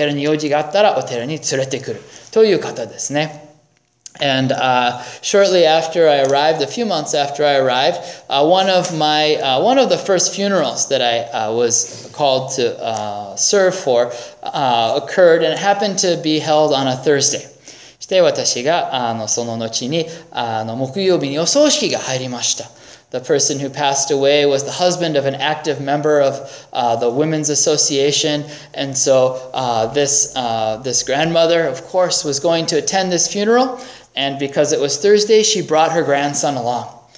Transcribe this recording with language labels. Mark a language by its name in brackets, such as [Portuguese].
[Japanese] して、私が一人に出会った念仏おばあちゃんは、奥砂渡仏教会に、私最初に赴任したところのおばあちゃんです。まあ、若いおばあちゃんですが、孫を毎週の木曜日と金曜日、見ること、お世話をすることをして、で、その日の何の用事があっても、その孫を連れて行く。買い物があったら孫を買い物と一緒に行く。もし予定に用事があったらお寺に連れてくる。という方ですね。 [English] And shortly after I arrived, a few months after I arrived, one of the first funerals that I was called to serve for occurred, and it happened to be held on a Thursday. [Japanese] して私がその後に木曜日にお葬式が入りました。 [English] The person who passed away was the husband of an active member of the Women's Association. And so this grandmother, of course, was going to attend this funeral. And because it was Thursday, she brought her grandson along.